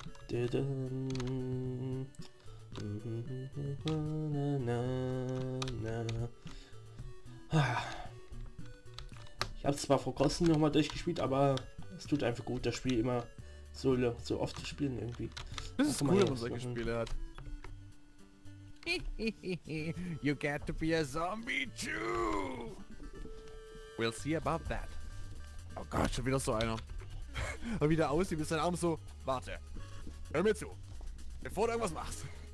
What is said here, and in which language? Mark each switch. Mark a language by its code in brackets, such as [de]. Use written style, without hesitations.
[de] Ich habe es zwar vor kurzem noch mal durchgespielt, aber es tut einfach gut, das Spiel immer so oft zu spielen irgendwie. Das ist cool, was solche Spiele hat. [en] You get to be a zombie too. We'll see about that. [de] Oh Gott, schon wieder so einer. Und wieder aussieht, bis dein Arm so. Warte. Hör mir zu. Bevor du irgendwas machst.